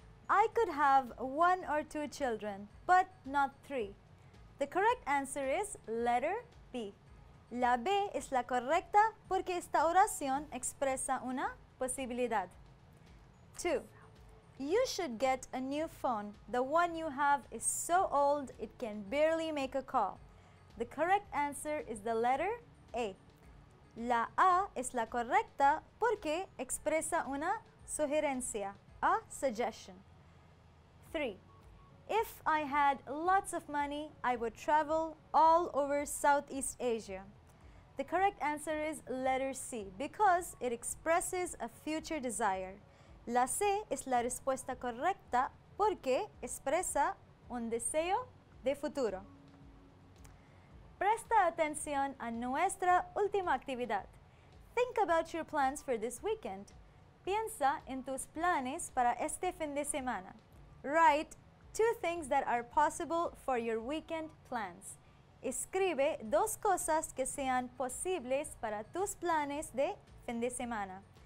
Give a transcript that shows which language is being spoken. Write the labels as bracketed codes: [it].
[en] I could have one or two children, but not three. The correct answer is letter B. [es] La B es la correcta porque esta oración expresa una posibilidad. [en] 2. You should get a new phone. The one you have is so old it can barely make a call. The correct answer is the letter A. [es] La A es la correcta porque expresa una sugerencia, [en] a suggestion. 3. If I had lots of money, I would travel all over Southeast Asia. The correct answer is letter C, because it expresses a future desire. [es] La C es la respuesta correcta porque expresa un deseo de futuro. Presta atención a nuestra última actividad. [en] Think about your plans for this weekend. [es] Piensa en tus planes para este fin de semana. [en] Write two things that are possible for your weekend plans. [es] Escribe dos cosas que sean posibles para tus planes de fin de semana.